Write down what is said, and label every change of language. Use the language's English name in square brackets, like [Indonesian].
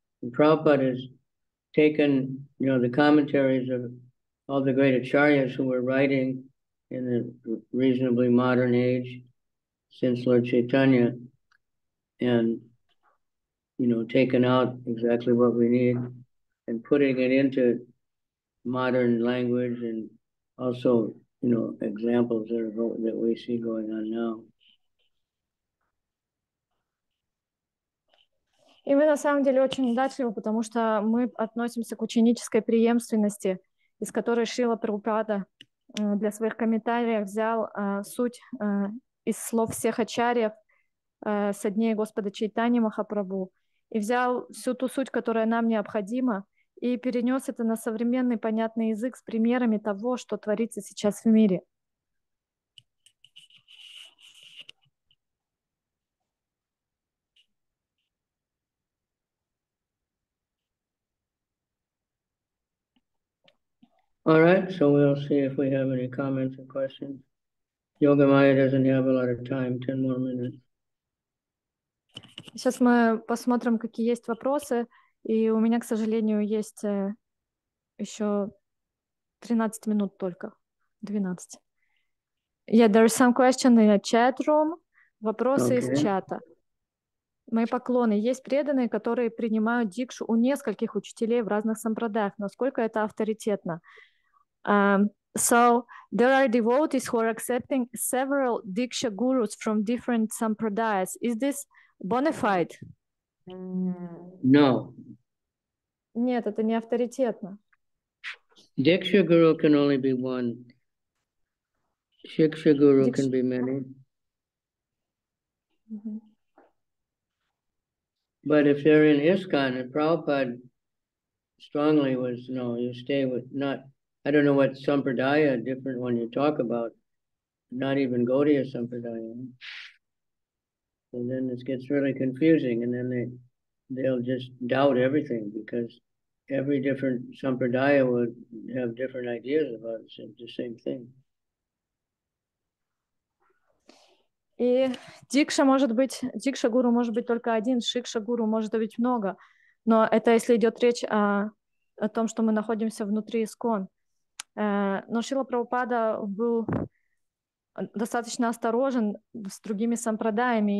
[English] And Prabhupada has taken, you know, the commentaries of all the great acharyas who were writing in a reasonably modern age since Lord Chaitanya, and, you know, taken out exactly what we need and putting it into modern language and also, you know, examples that are, that we see going on now. [Russian] И мы на самом деле очень удачливы, потому что мы относимся к ученической преемственности, из которой Шрила Прабхупада для своих комментариев взял суть из слов всех ачарьев со дней Господа Чайтани Махапрабху и взял всю ту суть, которая нам необходима, и перенес это на современный понятный язык с примерами того, что творится сейчас в мире. [English] All right, so we'll see if we have any comments or questions. Yoga Maya doesn't have a lot of time, 10 more minutes. [Russian] Сейчас мы посмотрим, какие есть вопросы, и у меня, к сожалению, есть еще 13 минут только, 12. [English] Yeah, there are some questions in the chat room. [Russian] Вопросы [English] okay. [Russian] Из чата. Мои поклоны. Есть преданные, которые принимают дикшу у нескольких учителей в разных сампрадаях. Насколько это авторитетно? [English] So there are devotees who are accepting several Diksha gurus from different sampradayas. Is this bona fide? No. [Russian] Нет, это не авторитетно. [English] Diksha guru can only be one. Shiksha guru can be many. But if they're in ISKCON, and Prabhupada strongly was, no, you stay with not, I don't know what sampradaya, different one you talk about, not even Gaudiya sampradaya. And then this gets really confusing, and then they'll just doubt everything, because every different sampradaya would have different ideas about the same thing. [Russian] И дикша-гуру может быть только один, шикша-гуру может быть много. Но это если идет речь о том, что мы находимся внутри ИСКОН. Но Шрила Прабхупада был достаточно осторожен с другими сампрадаями.